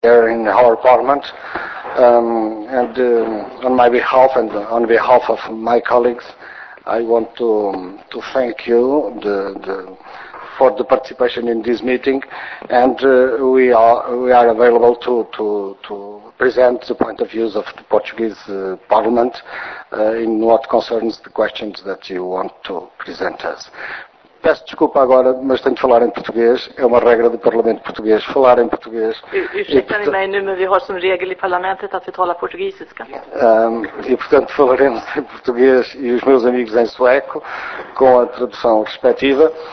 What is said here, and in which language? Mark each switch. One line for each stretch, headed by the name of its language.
English: there in our parliament, on my behalf and on behalf of my colleagues, I want to thank you for the participation in this meeting, and we are available to present the point of views of the Portuguese Parliament in what concerns the questions that you want to present us.
Portuguese: Peço desculpa agora, mas tenho de falar em português. É uma regra do Parlamento Português falar em português.
Swedish: Ursäkta-me, nu, men vi har som regel i parlamentet att vi talar portugisiska.
Portuguese: E, portanto, falaremos em português e os meus amigos em sueco, com a tradução respectiva.